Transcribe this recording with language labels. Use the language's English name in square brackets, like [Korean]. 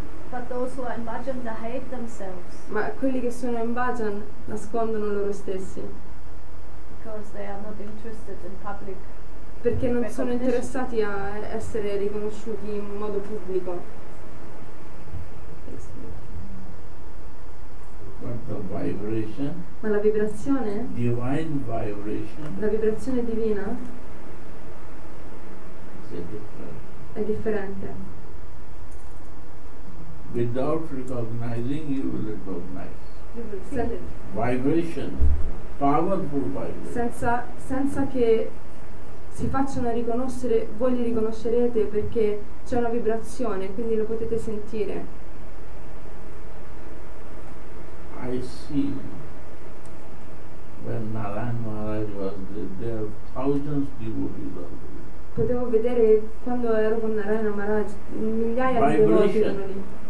[English] But those who are in bhajan, they hate themselves. [Italian] Ma quelli che sono in bhajan nascondono loro stessi. [English] Because they are not interested in public. [Italian] Perché non sono interessati a essere riconosciuti in modo pubblico. Ma la vibrazione? [English] Divine vibration. [Italian] La vibrazione divina? È differente. [English] Without recognizing, you will recognize. You will feel it. Vibration, powerful vibration. [Italian] Senza che si facciano riconoscere, voi li riconoscerete perché c'è una vibrazione, quindi lo potete sentire. [English] I see when Narayana Maharaj was there are thousands of devotees on the [Italian] potevo vedere quando ero con Narayana Maharaj, migliaia di devoti erano lì.